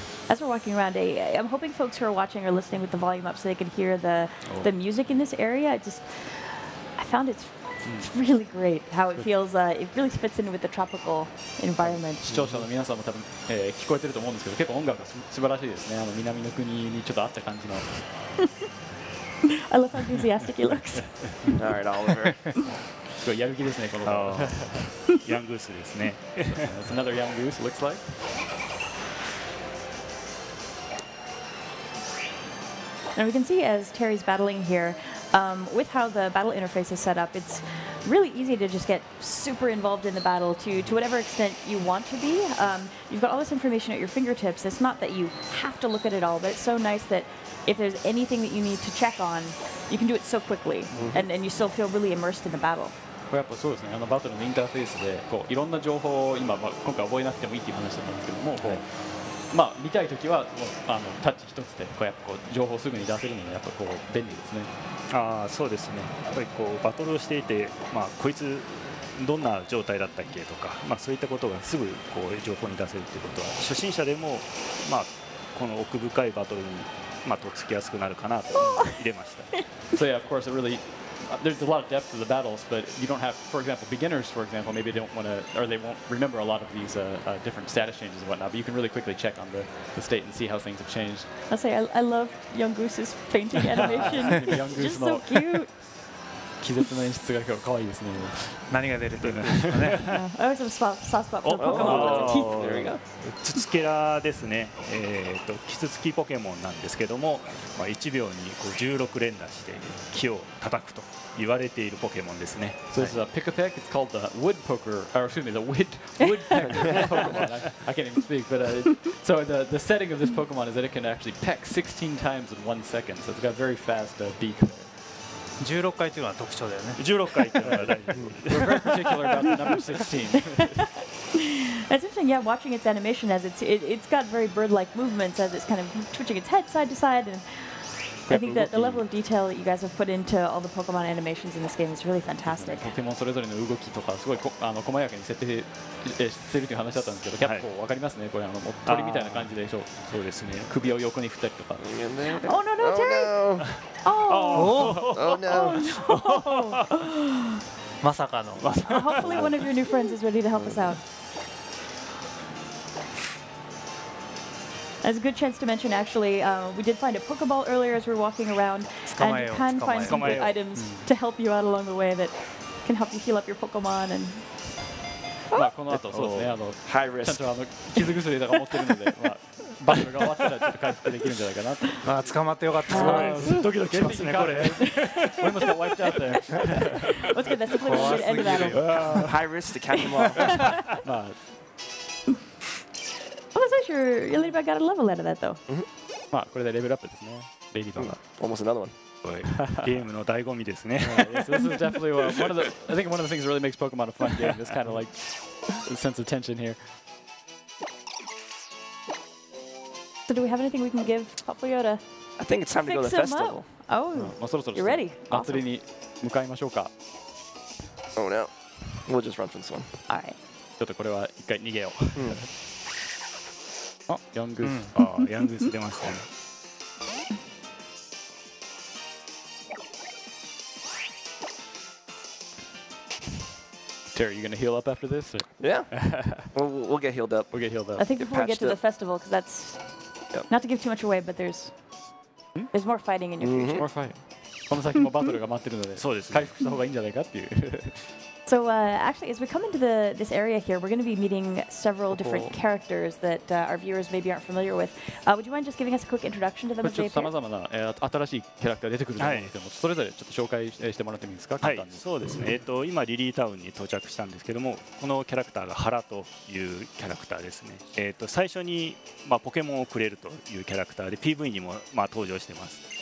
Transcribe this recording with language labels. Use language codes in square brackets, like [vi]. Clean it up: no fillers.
[en] As we're walking around, I'm hoping folks who are watching or listening with the volume up so they can hear the music in this area. I found it's really great how it feels. It really fits in with the tropical environment. [ja] 視聴者の皆さんも多分聞こえてると思うんですけど、結構音楽が素晴らしいですね。南の国にちょっと合った感じの。 [en] I love how enthusiastic he looks. All right, Oliver. [ja] すごいやる気ですね、この子。ヤングースですね。 [en] That's another young goose, looks like. And we can see as Terry's battling here, with how the battle interface is set up, it's really easy to just get super involved in the battle to whatever extent you want to be. You've got all this information at your fingertips. It's not that you have to look at it all, but it's so nice that if there's anything that you need to check on, you can do it so quickly, mm-hmm. and you still feel really immersed in the battle. [ja] これやっぱそうですね。あのバトルのインターフェースでこういろんな情報を今、まあ、今回覚えなくてもいいっていう話だったんですけども、はい、まあ見たいときはあのタッチ一つでこうやっぱこう情報をすぐに出せるのがやっぱこう便利ですね。ああそうですね。やっぱりこうバトルをしていて、まあこいつどんな状態だったっけとか、まあそういったことがすぐこう情報に出せるということは初心者でもまあこの奥深いバトルにまあとっつきやすくなるかなと入れました。 [en] So yeah, of course, really. There's a lot of depth to the battles, but you don't have, for example, beginners, for example, maybe they don't want to, or they won't remember a lot of these different status changes and whatnot, but you can really quickly check on the state and see how things have changed. I'll say, I love Young Goose's painting animation. Young Goose just so cute. [ja] 気絶の演出が今日可愛いですね。何が出るというんですかね。 [en] I always have a soft spot for Pokemon. There we go. [ja] ツツケラですね。キツツキポケモンなんですけども、まあ、1秒にこう16連打して木を叩くと言われているポケモンですね。 [en] So this is a pick a peck. It's called the wood poker, or excuse me, the wood wood Pokemon. I can't even speak. But so the setting of this Pokemon is that it can actually peck 16 times in 1 second. So it's got very fast beak. [ja] 16回っていうのは特徴だよね。 16回っていうのは大事。 [en] That's interesting. Yeah, watching its animation as it's got very bird-like movements as it's kind of twitching its head side to side. And I think that the level of detail that you guys have put into all the Pokemon animations in this game is really fantastic. [ja] ポケモンそれぞれの動きとかすごいあの細やかに設定してるという話だったんですけど、結構わかりますね。これあの鳥みたいな感じでしょう。そうですね。首を横に振ったりとか。 [en] Oh no no Terry! Oh! Oh no! [ja] まさかの。 [en] Hopefully one of your new friends is ready to help us out. That's a good chance to mention, actually. We did find a Pokeball earlier as we were walking around. And you can find some good items to help you out along the way that can help you heal up your Pokemon. And... [ja] まあ、この後、そうですね。あの、 [en] High risk. [ja] ちゃんとあの傷薬とか持ってるので、まあ、バトルが終わったらちょっと回復できるんじゃないかなと。まあ、捕まってよかった。ドキドキしますね、これ。 [en] We must have wiped out there. Let's get that simply to the end of that. High risk to catch them all. [ja] まあ [en] Your ladybug got a level out of that, though. [ja] まあこれでレベルアップですね。ベビーとか。 [en] Almost another one. [ja] ゲームの醍醐味ですね。 [en] This is definitely one of the. I think one of the things that really makes Pokemon a fun game. This kind of like sense of tension here. So do we have anything we can give Popoyo to? I think it's time to go to the festival. Oh, you're ready. [ja] 祭りに向かいましょうか。 [en] Oh no, we'll just run for this one. All right. [ja] ちょっとこれは一回逃げよう。あ、ヤングース、うん、あ、ヤングース出ましたね。 [en] Terry, you gonna heal up after this? Yeah. we'll get healed up. We'll get healed up. I think before we get to the festival, because that's、yep. not to give too much away, but there's more fighting in your future. More fighting. [ja] この先もバトルが待ってるので、そうです。回復した方がいいんじゃないかっていう。 [en] So actually, as we come into this area here, we're going to be meeting several different characters that our viewers maybe aren't familiar with. Would you mind just giving us a quick introduction to them? [ja] ちょっと様々な、新しいキャラクター出てくると思うんですけども、それぞれちょっと紹介してもらってもいいですか？はい、そうですね。今リリータウンに到着したんですけども、このキャラクターがハラというキャラクターですね。最初に、まあ、ポケモンをくれるというキャラクターで、PV にも、まあ、登場しています。